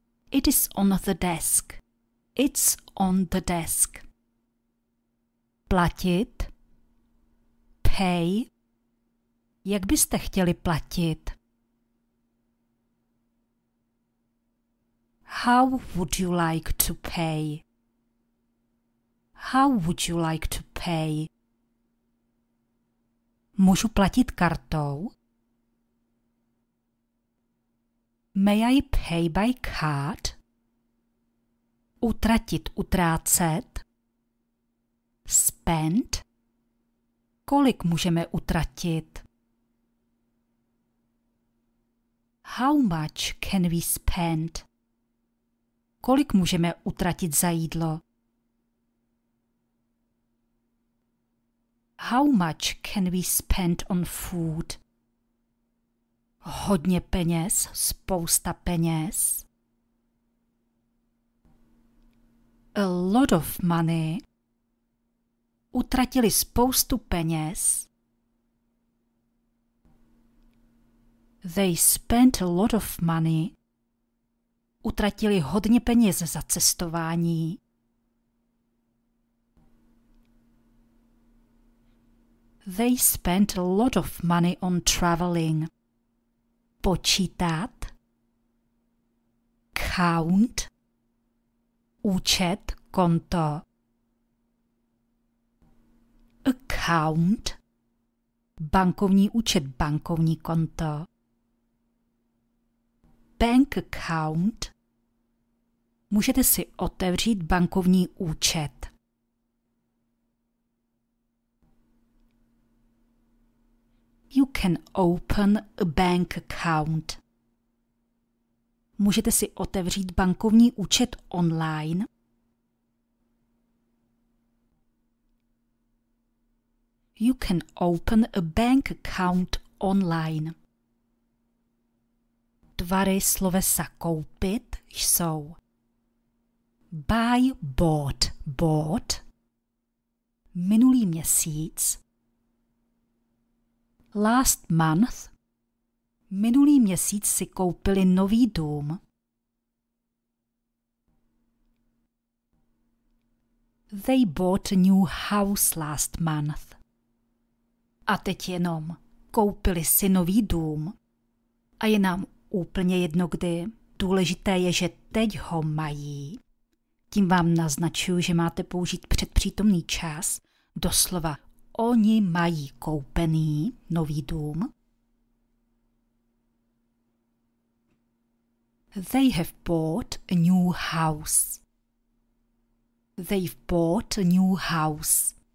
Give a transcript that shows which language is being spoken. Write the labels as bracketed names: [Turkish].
[English] It is on the desk. It's on the desk. Platit. Pay. [Czech] Jak byste chtěli platit? [English] How would you like to pay? How would you like to pay? [Czech] Můžu platit kartou? [English] May I pay by card? [Czech] Utratit, utrácet. [English] Spend? [Czech] Kolik můžeme utratit? [English] How much can we spend? [Czech] Kolik můžeme utratit za jídlo? [English] How much can we spend on food? [Czech] Hodně peněz, spousta peněz. [English] A lot of money. [Czech] Utratili spoustu peněz. [English] They spent a lot of money. [Czech] Utratili hodně peněz za cestování. [English] They spent a lot of money on traveling. [Czech] Počítat. Count. Účet, konto. [English] Account. [Czech] Bankovní účet, bankovní konto. [English] Bank account. [Czech] Můžete si otevřít bankovní účet. [English] You can open a bank account. [Czech] Můžete si otevřít bankovní účet online. [English] You can open a bank account online. [Czech] Tvary slovesa koupit jsou [English] buy, bought, bought, [Czech] minulý měsíc, [English] last month, [Czech] minulý měsíc si koupili nový dům. [English] They bought a new house last month. [Czech] A teď jenom, koupili si nový dům. A je nám úplně jedno kdy. Důležité je, že teď ho mají. Tím vám naznačuju, že máte použít předpřítomný čas. Doslova, oni mají koupený nový dům. [English] They have bought a new house. They've bought a new house.